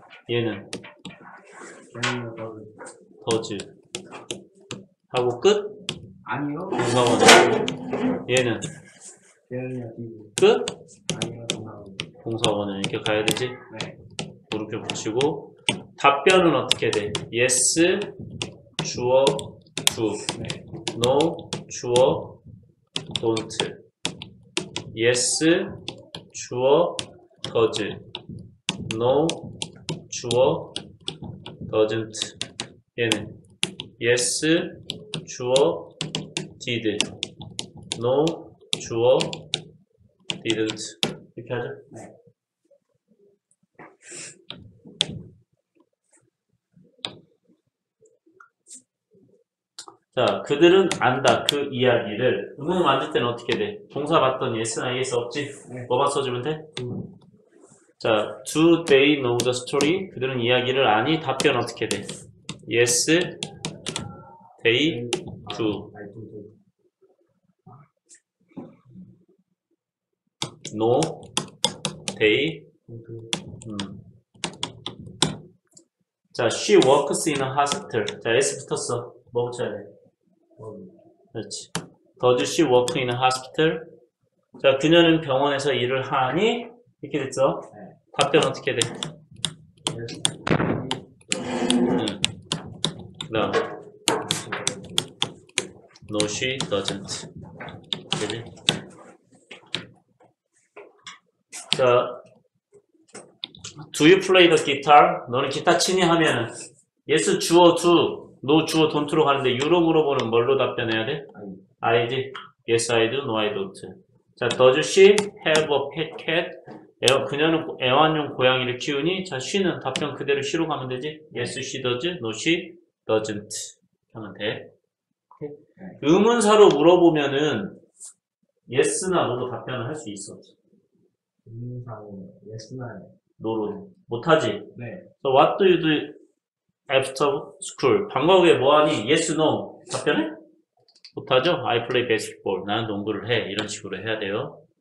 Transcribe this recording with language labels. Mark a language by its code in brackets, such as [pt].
[ko] 얘는 더즈 하고 끝. 아니요. 동사원형. 얘는 끝. 아니요. 동사원형 이렇게 가야 되지. 네. 이렇게 붙이고 답변은 어떻게 돼? [en] Yes, [ko] 주어, 주. [en] No, 주어, don't. Yes, 주어, [ko] 거짓. [en] No, 주어, doesn't. [ko] 얘는 [en] yes, [ko] 주어, [en] did. No, [ko] 주어, [en] didn't. [ko] 이렇게 하죠? 네. 자, 그들은 안다, 그 이야기를. 응, 만들 때는 어떻게 돼? 동사 봤던 yes나 yes 없지? 네. 뭐만 써주면 돼? 자, [en] do they know the story? [ko] 그들은 이야기를 아니, 답변 어떻게 돼? [en] Yes, they do. 아, no, they. 자, she works in a hospital. [ko] 자, S 붙었어. 뭐 붙여야 돼? 그렇지. [en] Does she work in a hospital? [ko] 자, 그녀는 병원에서 일을 하니? 이렇게 됐죠? 답변 어떻게 돼? 응. [en] 그 No, she doesn't. [ko] 되지? [en] 자, Do you play the guitar? [ko] 너는 기타 치니? 하면은 Yes, 주어, do. No, 주어, don't로 가는데 you로 물어보는 뭘로 답변해야 돼? [en] I do. Yes, I do. No, I don't. 자, Does she have a pet cat? [ko] 그녀는 애완용 고양이를 키우니? 자, she는 답변 그대로 she로 가면 되지? [en] Yes, she does. No, she doesn't. [ko] 하면 돼. 의문사로 물어보면은 yes나 no로 답변을 할 수 있어. 의문사로 yes나 no로. 못하지? 네. [en] So what do you do after school? [ko] 방과 후에 뭐하니? [en] Yes, no. [ko] 답변해? 못하죠? [en] I play baseball. [ko] 나는 농구를 해. 이런 식으로 해야 돼요.